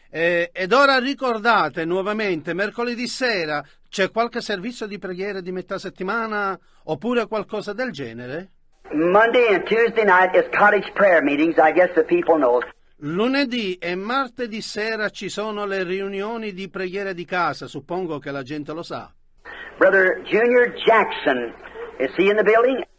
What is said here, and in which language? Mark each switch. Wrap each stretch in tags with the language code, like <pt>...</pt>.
<it>Ed ora ricordate nuovamente, mercoledì sera, c'è qualche servizio di preghiera di metà settimana oppure qualcosa del genere?</it> <en>Monday and Tuesday night is cottage prayer meetings. I guess the people know.</en> <it>Lunedì e martedì sera ci sono le riunioni di preghiera di casa. Suppongo che la gente lo sa.</it> <en>Brother Junior Jackson, is he in the building?</en>